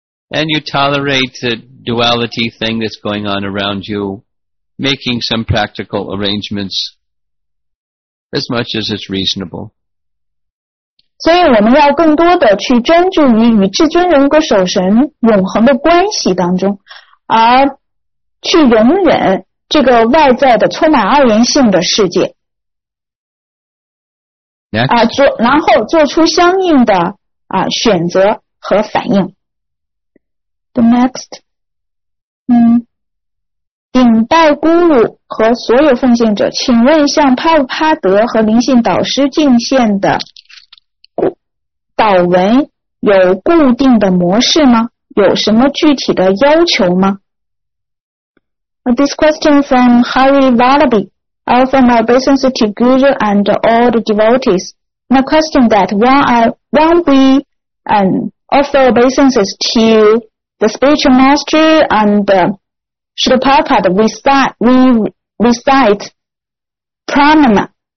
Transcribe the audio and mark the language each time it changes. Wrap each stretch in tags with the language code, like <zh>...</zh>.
<en>And you tolerate the duality thing that's going on around you, making some practical arrangements as much as it's reasonable.</en> <zh>所以我们要更多的去专注于与至尊人格守神永恒的关系当中，而去容忍这个外在的充满二元性的世界。然后做出相应的选择和反应。 Next, 顶拜孤鲁和所有奉献者，请问向帕布帕德和灵性导师敬献的祷文有固定的模式吗？有什么具体的要求吗？</zh> <en>This question from Hari Vallabhi, offer my obeisance to Guru and all the devotees. My question that when we offer obeisances to the spiritual master and Srila Prabhupada, we recite pranama.</en>